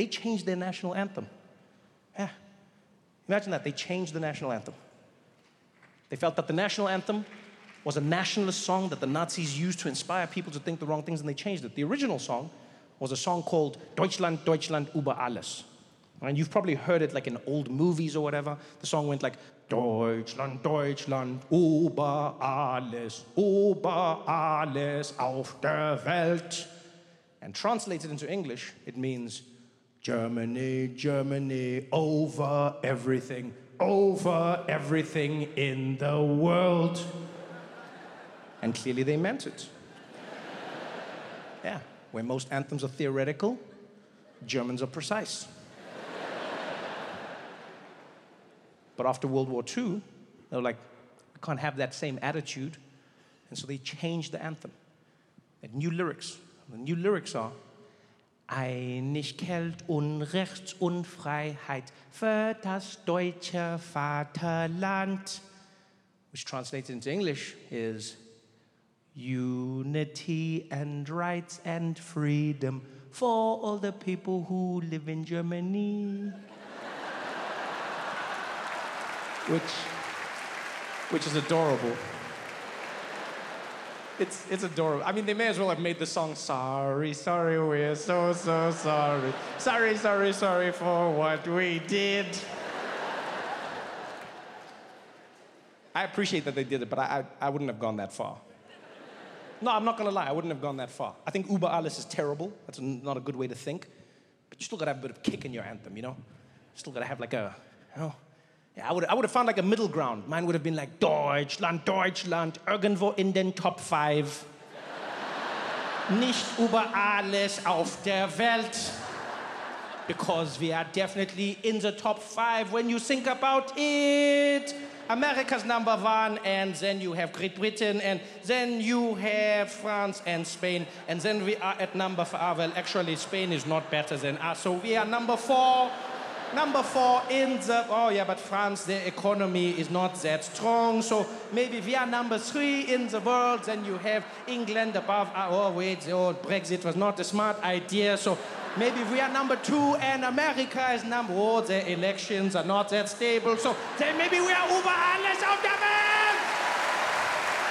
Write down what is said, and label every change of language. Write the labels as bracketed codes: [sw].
[en] They changed their national anthem. Yeah. Imagine that. They changed the national anthem. They felt that the national anthem was a nationalist song that the Nazis used to inspire people to think the wrong things, and they changed it. The original song was a song called [de] Deutschland, Deutschland über alles. [en] And you've probably heard it like in old movies or whatever. The song went like, [de] Deutschland, Deutschland über alles auf der Welt. [en] And translated into English, it means Germany, Germany over everything in the world. And clearly they meant it. Yeah, where most anthems are theoretical, Germans are precise. But after World War II, they were like, we can't have that same attitude. And so they changed the anthem. They had new lyrics. The new lyrics are, [de] Einigkeit und Rechts und Freiheit für das deutsche Vaterland. [en] Which translated into English is, Unity and rights and freedom for all the people who live in Germany. Which is adorable. It's adorable. I mean, they may as well have made the song, sorry, sorry, we're so, so sorry. Sorry, sorry, sorry for what we did. I appreciate that they did it, but I wouldn't have gone that far. No, I'm not gonna lie, I wouldn't have gone that far. I think [de] Uber Alles [en] is terrible. That's not a good way to think. But you still gotta have a bit of kick in your anthem, you know? You still gotta have like a, you know? Yeah, I would have found like a middle ground. Mine would have been like, [de] Deutschland, Deutschland, irgendwo in den Top 5. Nicht über alles auf der Welt. [en] Because we are definitely in the Top 5 when you think about it. America's number 1, and then you have Great Britain, and then you have France and Spain, and then we are at number 5. Well, actually, Spain is not better than us, so we are number 4. Number 4 in the... Oh, yeah, but France, their economy is not that strong. So maybe we are number 3 in the world. Then you have England above... Oh, wait, the old Brexit was not a smart idea. So maybe we are number 2 and America is number... Oh, their elections are not that stable. So then maybe we are [de] über alles auf der Welt.